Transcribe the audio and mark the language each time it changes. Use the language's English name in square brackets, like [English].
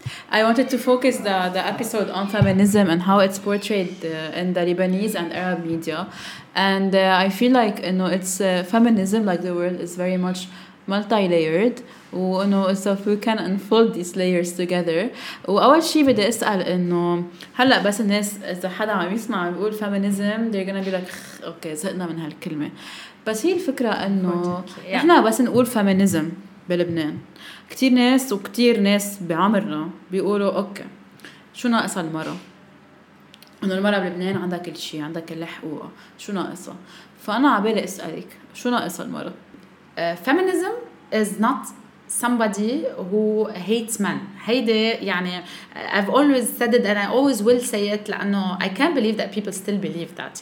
[English] I wanted to focus the episode on feminism and how it's portrayed in the Lebanese and Arab media. And I feel like, you know, it's feminism, like the world is very much multi-layered. You know, so if we can unfold these layers together. [Arabic] وأول شيء بدي أسأل إنه هلا بس الناس إذا حدا عم يسمع عم يقول feminism, [English] they're gonna be like, okay, [Arabic] زهقنا من هالكلمة. بس هي الفكرة إنه إحنا بس نقول feminism بلبنان, كتير ناس وكتير ناس بعمرنا بيقولوا أوكي شو ناقصة المرأة؟ إنه المرأة بلبنان عندها كل شيء, عندها كل حقوقها, شو ناقصة؟ فأنا عبالي أسألك شو ناقصة المرأة؟ [English] Feminism is not somebody who hates men. [Arabic] هيدا يعني [English] I've always said it and I always will say it, [Arabic] لأنه [English] I can't believe that people still believe that.